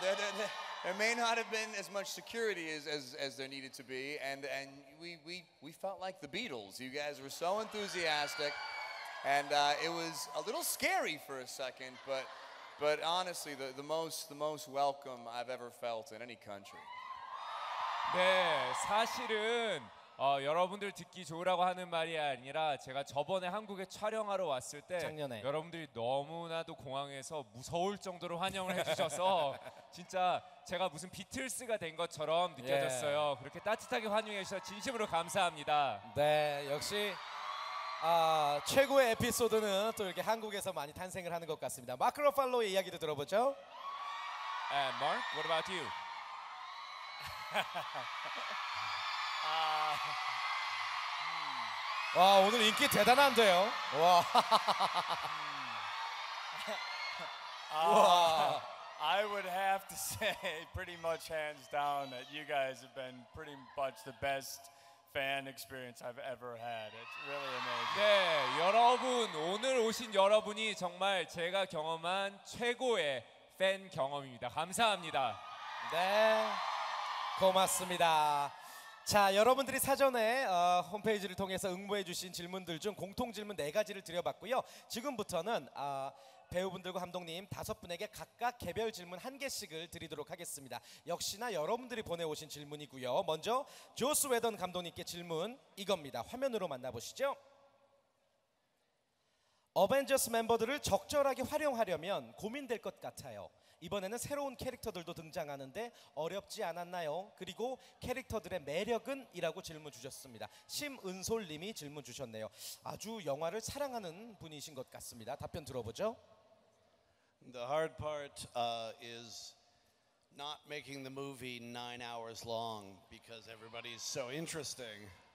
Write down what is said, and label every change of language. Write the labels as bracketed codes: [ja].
[en] There may not have been as much security as there needed to be, and we felt like the Beatles. You guys were so enthusiastic, and it was a little scary for a second, but. But honestly, the most welcome I've ever felt in any country. [ko] 네, 사실은 여러분들 듣기 좋으라고 하는 말이 아니라 제가 저번에 한국에 촬영하러 왔을 때 작년에. 여러분들이 너무나도 공항에서 무서울 정도로 환영을 해주셔서 진짜 제가 무슨 비틀스가 된 것처럼 느껴졌어요. 예. 그렇게 따뜻하게 환영해 주셔서 진심으로 감사합니다. 네, 역시 최고의 에피소드는 또 이렇게 한국에서 많이 탄생을 하는 것 같습니다. 마크 러팔로의 이야기도 들어보죠. [en] And Mark, what about you? [ko] Wow, 오늘 인기 대단한데요. [en] I would have to say, pretty much hands down, that you guys have been pretty much the best fan experience I've ever had. It's really amazing. [ko] 네, 여러분 오늘 오신 여러분이 정말 제가 경험한 최고의 팬 경험입니다. 감사합니다. 네, 고맙습니다. 자, 여러분들이 사전에 홈페이지를 통해서 응모해 주신 질문들 중 공통 질문 네 가지를 드려봤고요. 지금부터는 배우분들과 감독님 다섯 분에게 각각 개별 질문 한 개씩을 드리도록 하겠습니다. 역시나 여러분들이 보내오신 질문이고요. 먼저 조스 웨던 감독님께 질문 이겁니다. 화면으로 만나보시죠. 어벤져스 멤버들을 적절하게 활용하려면 고민될 것 같아요. 이번에는 새로운 캐릭터들도 등장하는데 어렵지 않았나요? 그리고 캐릭터들의 매력은? 이라고 질문 주셨습니다. 심은솔님이 질문 주셨네요. 아주 영화를 사랑하는 분이신 것 같습니다. 답변 들어보죠. [en] The hard part is not making the movie 9 hours long because everybody is so interesting.